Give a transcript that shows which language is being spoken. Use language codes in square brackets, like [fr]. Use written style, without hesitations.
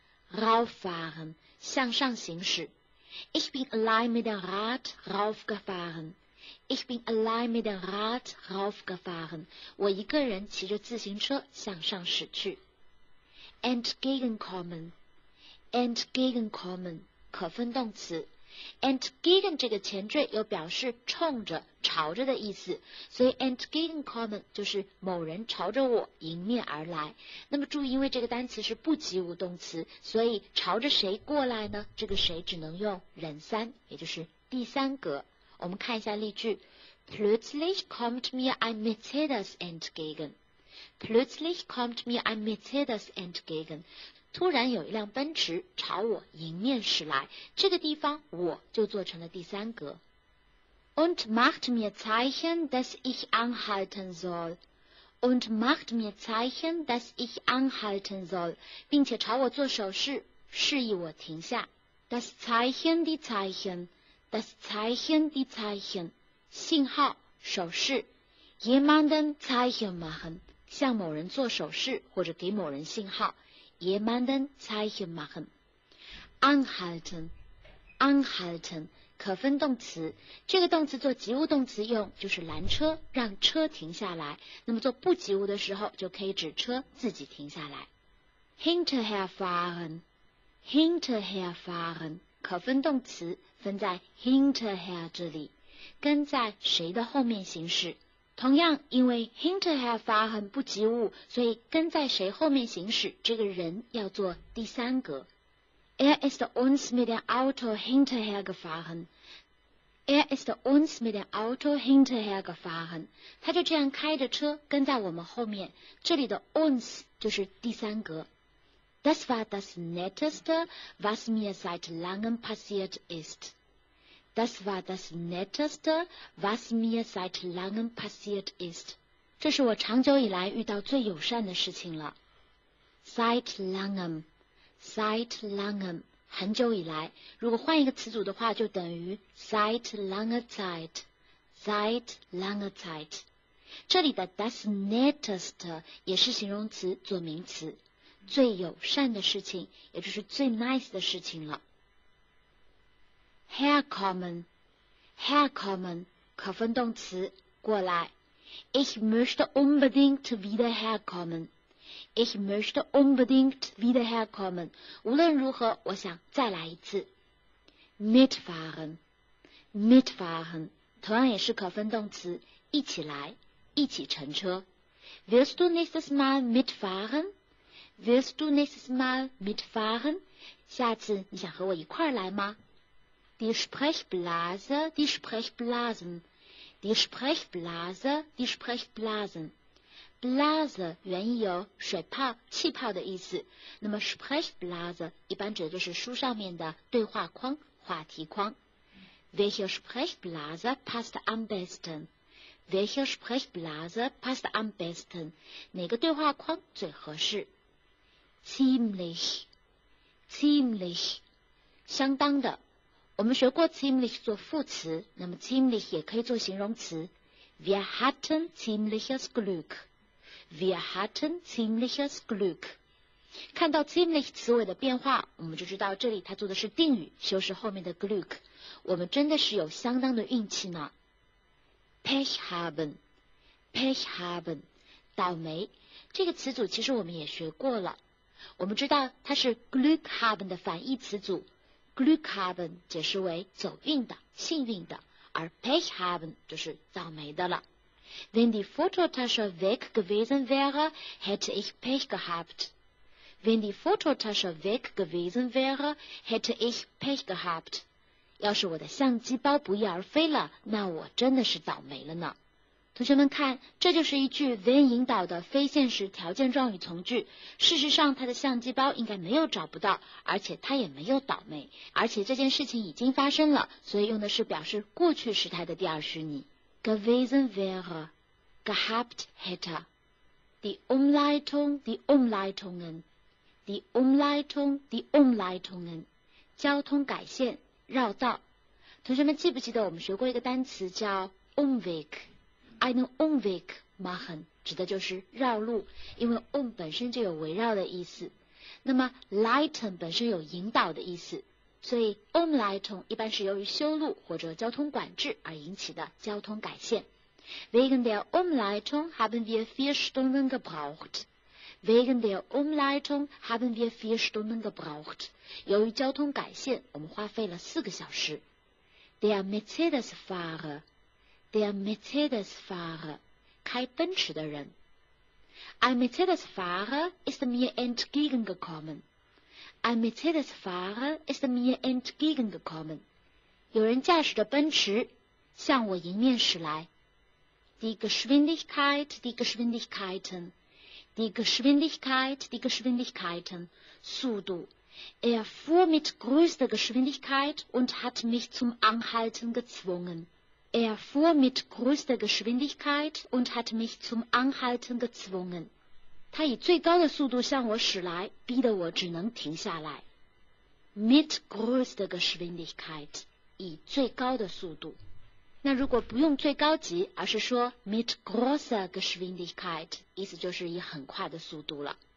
[zh] Rauffahren, 向上行驶。 [de] Ich bin allein mit dem Rad raufgefahren. Ich bin allein mit dem Rad raufgefahren. [zh] 我一个人骑着自行车向上驶去。 [de] Entgegenkommen, entgegenkommen, [zh] 可分动词。 Entgegen 这个前缀有表示冲着、朝着的意思，所以 entgegenkommen 就是某人朝着我迎面而来。那么注意，因为这个单词是不及物动词，所以朝着谁过来呢？这个谁只能用人三，也就是第三格。我们看一下例句 [de] ：Plötzlich kommt mir ein Mercedes entgegen. Plötzlich kommt mir ein Mercedes entgegen. [zh] 突然有一辆奔驰朝我迎面驶来，这个地方我就做成了第三格。 [de] Und macht mir Zeichen, dass ich anhalten soll. Und macht mir Zeichen, dass ich anhalten soll. [zh] 并且朝我做手势，示意我停下。 [de] Das Zeichen, die Zeichen. Das Zeichen, die Zeichen. [zh] 信号，手势。 [de] Jemanden Zeichen machen. [zh] 向某人做手势或者给某人信号。 [de] Jemanden Zeichen machen. Anhalten. Anhalten. [zh] 可分动词，这个动词做及物动词用，就是拦车，让车停下来。那么做不及物的时候，就可以指车自己停下来。 [de] Hinterher fahren, hinterher fahren， [zh] 可分动词分在 hinterher 这里，跟在谁的后面行驶。同样，因为 hinterher fahren 不及物，所以跟在谁后面行驶，这个人要做第三格。 [de] Ist uns mit dem Auto hinterher gefahren. Ist uns mit dem Auto hinterher gefahren. [zh] 他就这样开着车跟在我们后面。这里的 uns 就是第三格。 [de] Das war das Netteste, was mir seit langem passiert ist. Das war das Netteste, was mir seit langem passiert ist. [zh] 这是我长久以来遇到最友善的事情了。 [de] Seit langem. Seit langem, [zh] 很久以来，如果换一个词组的话，就等于 [de] Seit langer Zeit, Seit langer Zeit. [zh] 这里的 [de] das netteste [zh] 也是形容词做名词，最友善的事情，也就是最 nice 的事情了。 [de] Herkommen, herkommen, [zh] 可分动词，过来。 [de] Ich möchte unbedingt wieder herkommen. Ich möchte unbedingt wiederherkommen. [zh] 无论如何，我想再来一次。 [de] Mitfahren, [zh] mitfahren, 同样也是可分动词，一起来，一起乘车。 [de] Willst du nächstes Mal mitfahren? Willst du nächstes Mal mitfahren? [zh] 下次你想和我一块儿来吗 [de] ？Die Sprechblase, die Sprechblasen, die Sprechblase, die Sprechblasen. Blase [zh] 原意有水泡、气泡的意思，那么 Sprechblase 一般指的就是书上面的对话框、话题框。 [de] Welche Sprechblase passt am besten? Welche Sprechblase passt am besten? [zh] 哪个对话框最合适？ [de] Ziemlich, [zh] ziemlich, 相当的。我们学过 ziemlich 做副词，那么 ziemlich 也可以做形容词。 [de] Wir hatten ziemliches Glück. Wir hatten ziemliches Glück. [zh] 看到 ziemlich 词尾的变化，我们就知道这里它做的是定语，修饰后面的 Glück。我们真的是有相当的运气呢。 [de] Pech haben, Pech haben, [zh] 倒霉。这个词组其实我们也学过了。我们知道它是 Glück haben 的反义词组。 Glück haben 解释为走运的、幸运的，而 Pech haben 就是倒霉的了。 [de] Wenn die Fototasche weg gewesen wäre, hätte ich Pech gehabt. Wenn die Fototasche weg gewesen wäre, hätte ich Pech gehabt. [zh] 要是我的相机包不翼而飞了，那我真的是倒霉了呢。同学们看，这就是一句 when 引导的非现实条件状语从句。事实上，他的相机包应该没有找不到，而且他也没有倒霉，而且这件事情已经发生了，所以用的是表示过去时态的第二虚拟。 [de] Gewesen wäre, gehabt hätte. Die Umleitungen. [zh] 交通改线，绕道。同学们记不记得我们学过一个单词叫 Umweg? [de] Einen Umweg machen, [zh] 指的就是绕路，因为 um 本身就有围绕的意思。那么 leiten 本身有引导的意思。所以 Umleitung 一般是由于修路或者交通管制而引起的交通改线。 [de] Wegen der Umleitung haben wir 4 Stunden gebraucht. Wegen der Umleitung haben wir 4 Stunden gebraucht. [zh] 由于交通改线，我们花费了4个小时。 [de] Der Mercedes-Fahrer, [zh] 开奔驰的人。 [de] Ein Mercedes-Fahrer ist mir entgegengekommen. Ein Mercedes-Fahrer ist mir entgegengekommen. [zh] 有人驾驶着奔驰向我迎面驶来。 [de] Die Geschwindigkeit, die Geschwindigkeiten. die Geschwindigkeiten, [zh] 速度。 [de] Er fuhr mit größter Geschwindigkeit und hat mich zum Anhalten gezwungen. Er fuhr mit größter Geschwindigkeit und hat mich zum Anhalten gezwungen. [zh] 他以最高的速度向我驶来，逼得我只能停下来。 [de] Mit größter Geschwindigkeit, [zh] 以最高的速度。那如果不用最高级，而是说 [de] mit großer Geschwindigkeit, [zh] 意思就是以很快的速度了。